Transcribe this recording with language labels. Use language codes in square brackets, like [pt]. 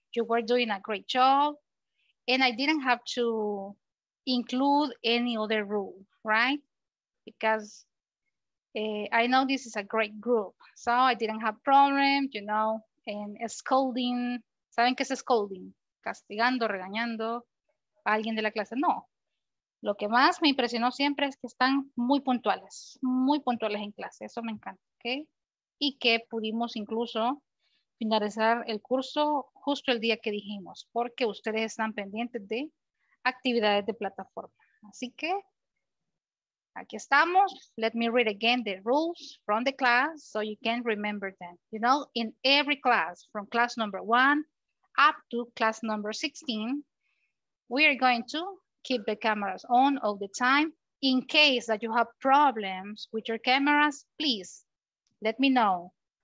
[en] You were doing a great job and I didn't have to include any other rule, right? Because I know this is a great group. So I didn't have problem, you know, and scolding. [es] ¿Saben qué es scolding? Castigando, regañando a alguien de la clase. No. Lo que más me impresionó siempre es que están muy puntuales en clase. Eso me encanta, ¿ok? Y que pudimos incluso finalizar el curso justo el día que dijimos, porque ustedes están pendientes de actividades de plataforma. Así que aquí estamos. [en] Let me read again the rules from the class so you can remember them. You know, in every class, from class number one up to class number 16, we are going to keep the cameras on all the time. In case that you have problems with your cameras, please let me know.